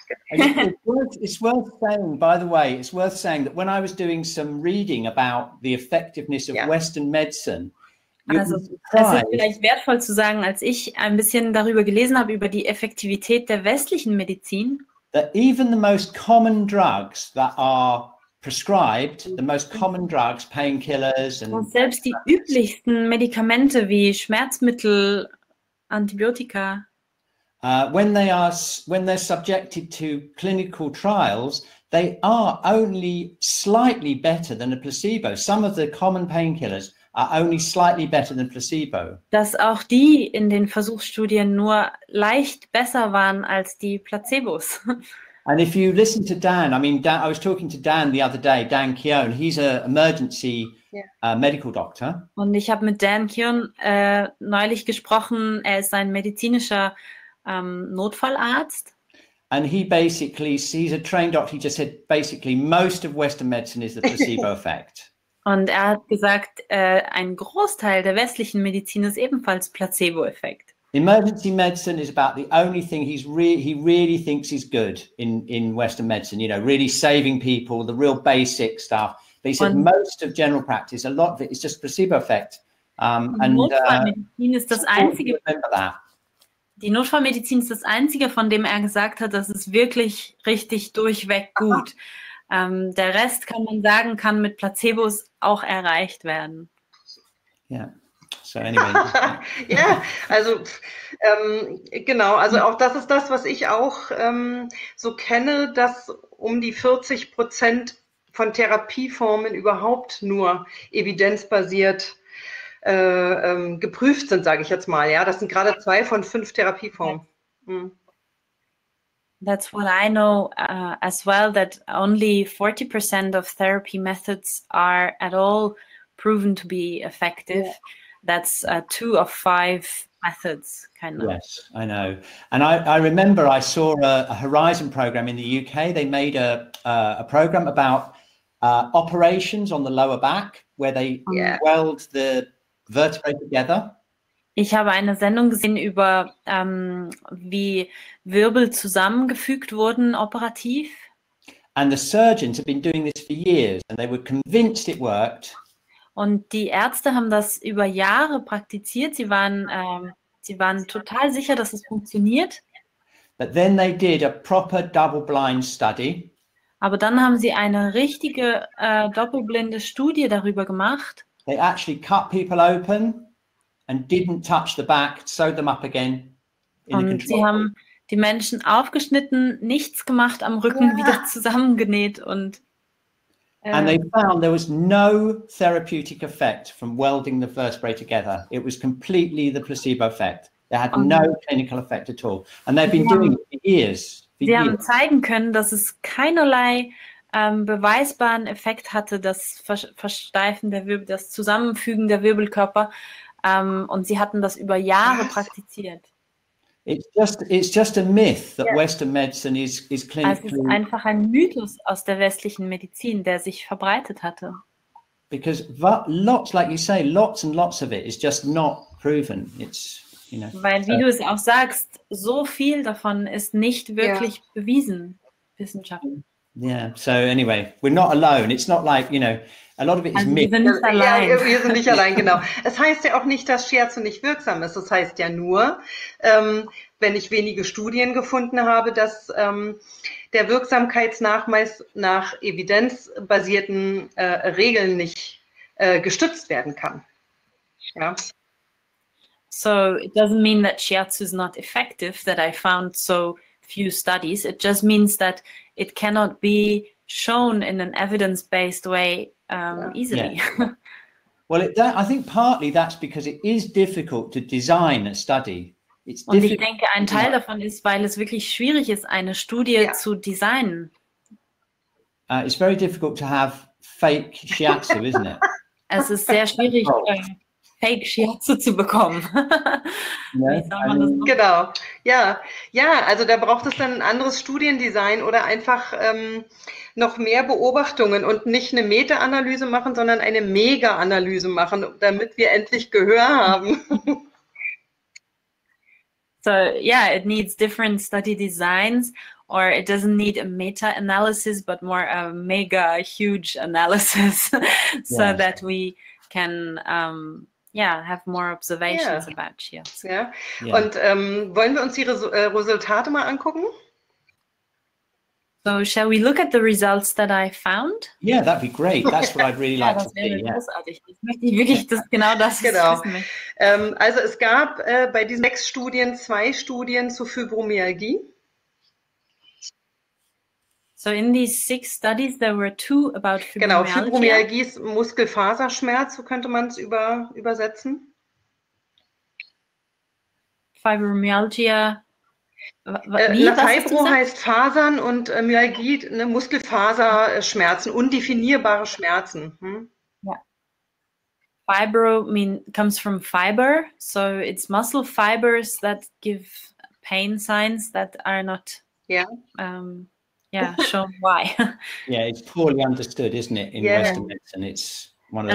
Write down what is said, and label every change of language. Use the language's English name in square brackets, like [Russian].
[English] It's worth saying, by the way, that when I was doing some reading about the effectiveness of Western medicine, [German] also, es ist vielleicht wertvoll zu sagen, als ich ein bisschen darüber gelesen habe, über die Effektivität der westlichen Medizin, [English] that even the most common drugs that are prescribed, the most common drugs, painkillers and [German] selbst die üblichsten Medikamente wie Schmerzmittel, Antibiotika. [English] When they're subjected to clinical trials, they are only slightly better than a placebo. Some of the common painkillers are only slightly better than placebo. [German] Dass auch die in den Versuchsstudien nur leicht besser waren als die Placebos. [English] And if you listen to Dan, I mean, Dan, I was talking to Dan the other day, Dan Kion, he's an emergency medical doctor. [German] Und ich habe mit Dan Kion neulich gesprochen, er ist ein medizinischer Notfallarzt. [English] And he basically, he's a trained doctor, he just said basically most of Western medicine is the placebo effect. [German] Und er hat gesagt, ein Großteil der westlichen Medizin ist ebenfalls Placebo-Effekt. [English] Emergency medicine is about the only thing he really thinks is good in Western medicine, you know, really saving people, the real basic stuff. But he said most of general practice, a lot of it is just placebo effect. [German] Notfallmedizin ist das einzige. Die Notfallmedizin ist das einzige, von dem er gesagt hat, das ist wirklich richtig durchweg gut. Der Rest kann man sagen, kann mit Placebos auch erreicht werden. Ja. [English] So anyway. [German] Ja, also genau, also auch das ist das, was ich auch so kenne, dass um die 40% von Therapieformen überhaupt nur evidenzbasiert geprüft sind, sage ich jetzt mal. Ja, das sind gerade 2 von 5 Therapieformen. [English] That's what I know as well, that only 40% of therapy methods are at all proven to be effective. Yeah. That's 2 of 5 methods, kind of. Yes, I know. And I remember I saw a Horizon program in the UK. They made a program about operations on the lower back, where they weld the vertebrae together. [German] Ich habe eine Sendung gesehen über wie Wirbel zusammengefügt wurden operativ. [English] And the surgeons have been doing this for years, and they were convinced it worked. [German] Und die Ärzte haben das über Jahre praktiziert. Sie waren total sicher, dass es funktioniert. [English] But then they did a proper double-blind study. [German] Aber dann haben sie eine richtige doppelblinde Studie darüber gemacht. [English] They actually cut people open and didn't touch the back, sewed them up again. [German] Und sie haben die Menschen aufgeschnitten, nichts gemacht, am Rücken wieder zusammengenäht und [English] And they found there was no therapeutic effect from welding the vertebrae together. It was completely the placebo effect. They had no clinical effect at all. And they've been doing it for years. [German] Sie haben zeigen können, dass es keinerlei beweisbaren Effekt hatte, das Versteifen der Wirbel, das Zusammenfügen der Wirbelkörper. Und sie hatten das über Jahre praktiziert. [English] It's just a myth that Western medicine is clinically. [German] Es ist einfach ein Mythos aus der westlichen Medizin, der sich verbreitet hatte. [English] Because lots, like you say, lots and lots of it is just not proven. It's, you know. [German] Weil wie du es auch sagst, so viel davon ist nicht wirklich bewiesen wissenschaftlich. [English] Yeah. So anyway, we're not alone. It's not like, you know, a lot of it is also myth. [German] Wir sind nicht allein. Ja, wir sind nicht allein, genau. Es heißt ja auch nicht, dass Shiatsu nicht wirksam ist. Das heißt ja nur, wenn ich wenige Studien gefunden habe, dass der Wirksamkeitsnachweis nach evidenzbasierten Regeln nicht gestützt werden kann. Ja. [English] So it doesn't mean that Shiatsu is not effective, that I found so few studies. It just means that it cannot be shown in an evidence-based way easily. Yeah. Well, I think partly that's because it is difficult to design a study. It's [German] Und ich denke, ein Teil davon ist, weil es wirklich schwierig ist, eine Studie zu designen. [English] It's very difficult to have fake Shiatsu, isn't it? [German] Es ist sehr schwierig, fake Shiatsu zu bekommen. Genau. Ja. Ja, also da braucht es dann ein anderes Studiendesign oder einfach noch mehr Beobachtungen und nicht eine Meta-Analyse machen, sondern eine Mega-Analyse machen, damit wir endlich Gehör haben. [English] So, yeah, it needs different study designs, or it doesn't need a meta-analysis, but more a mega, huge analysis, so yes. that we can, have more observations about Shiatsu. Yeah. [German] Und wollen wir uns die Resultate mal angucken? [English] So, shall we look at the results that I found? Yeah, that'd be great. That's what I'd really like to see. [German] Das möchte ich wirklich genau das wissen. Also es gab bei diesen 6 Studien 2 Studien zu Fibromyalgie. [English] So in these 6 studies there were 2 about Fibromyalgie. [German] Genau, Fibromyalgie ist Muskelfaserschmerz, so könnte man es übersetzen. [English] Fibromyalgia. [German] Fibro heißt Fasern und Myalgie, ne, Muskelfaserschmerzen, undefinierbare Schmerzen. [English] Fibro comes from fiber, so it's muscle fibers that give pain signs that are not shown why. Yeah, it's poorly understood, isn't it, in Western medicine. It's one of